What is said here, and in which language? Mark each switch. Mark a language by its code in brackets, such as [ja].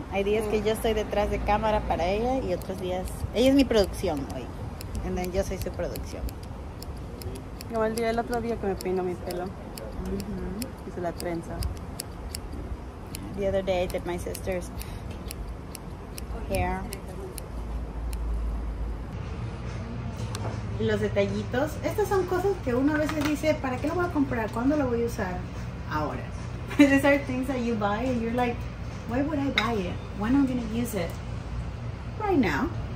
[es] Hay días que yo estoy detrás de cámara para ella y otros días. Ella es mi producción hoy. [en] And then [es] yo soy su producción. Como el otro día que me peino mi pelo. Mm-hmm. Hice la trenza. [en] The other day I did my sister's hair. [es] Los detallitos. Estas son cosas que uno a veces dice, ¿para qué lo voy a comprar? ¿Cuándo lo voy a usar? Ahora. [en] These are things that you buy and you're like, why would I buy it? When am I going to use it? Right now.